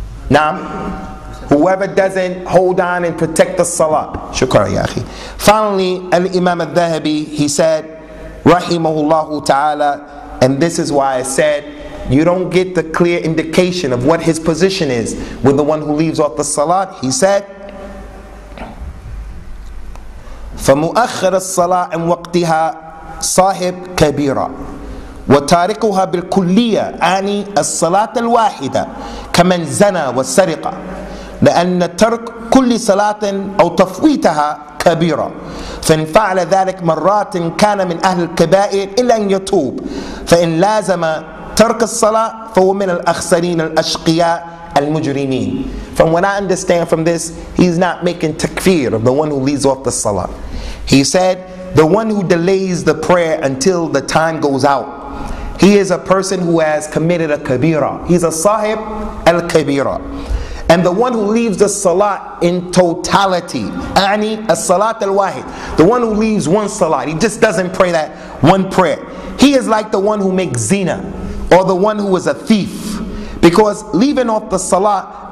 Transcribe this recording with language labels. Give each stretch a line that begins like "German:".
English: Now, whoever doesn't hold on and protect the salah.
Arabic: Shukra, ya akhi.
English: Finally, Al-Imam al-Dhahabi, he said, Rahimahullahu ta'ala, and this is why I said, you don't get the clear indication of what his position is with the one who leaves off the salah. He said,
Arabic: فَمُؤَخِّرَ الصَّلَاةِ عَنْ وَقْتِهَا صَاحِبْ كَبِيرًا وَتَارِكُهَا بِالْكُلِّيَّةِ عَنِي الصَّلَاةَ الْوَاحِدَةِ كَمَنْ زَنَى وَسَرِقَ لأن ترك كل صلاة أو تفويتها كبيرة فإن فعل ذلك مرات كان من أهل الكبائر إلا أن يتوب فإن لازم ترك الصلاة فهو من الأخسرين الأشقياء المجرمين.
English: From what I understand from this, he's not making takfir of the one who leaves off the salah. He said, the one who delays the prayer until the time goes out, he is a person who has committed a kabira. He's a sahib al-kabira. And the one who leaves the salat in totality,
Arabic: ani as-salat al-wahid,
English: the one who leaves one salat, he just doesn't pray that one prayer, he is like the one who makes zina, or the one who is a thief. Because leaving off the salat